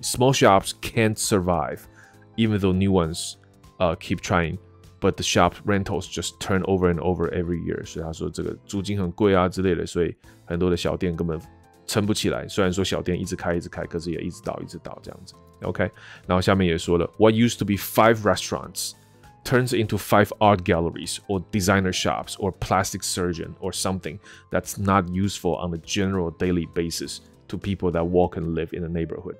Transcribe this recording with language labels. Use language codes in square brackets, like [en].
[en] Small shops can't survive, even though new ones, keep trying, but the shop rentals just turn over and over every year。 [zh] 所以他说这个租金很贵啊之类的，所以很多的小店根本撑不起来。虽然说小店一直开一直开，可是也一直倒一直倒这样子。 OK， 然后下面也说了 ， [en] What used to be 5 restaurants。 Turns into 5 art galleries or designer shops or plastic surgeon or something that's not useful on a general daily basis to people that walk and live in the neighborhood.